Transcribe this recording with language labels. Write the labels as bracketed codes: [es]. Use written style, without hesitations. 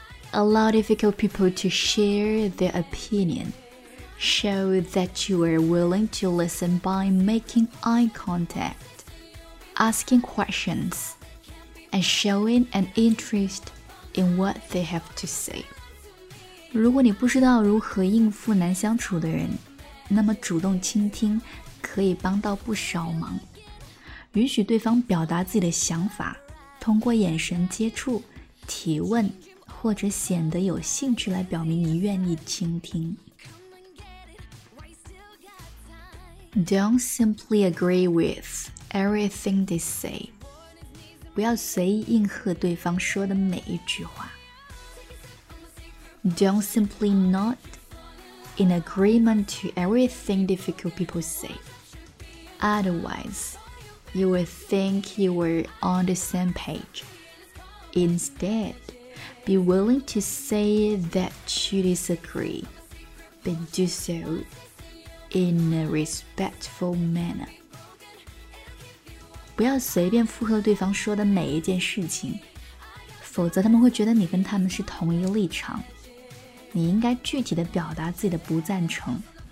[en] Allow difficult people to share their opinionShow that you are willing to listen by making eye contact, asking questions, and showing an interest in what they have to say. [zh] 如果你不知道如何应付难相处的人，那么主动倾听可以帮到不少忙。允许对方表达自己的想法，通过眼神接触、提问，或者显得有兴趣来表明你愿意倾听。 [en] Don't simply agree with everything they say. [zh] 不要随意应和对方说的每一句话。 [en] Don't simply nod in agreement to everything difficult people say. Otherwise, you will think you were on the same page. Instead, be willing to say that you disagree, but do so. In a respectful manner. [zh] 不要随便附和对方说的每一件事情，否则他们会觉得你跟他们是同一立场。你应该具体地表达自己的不赞成。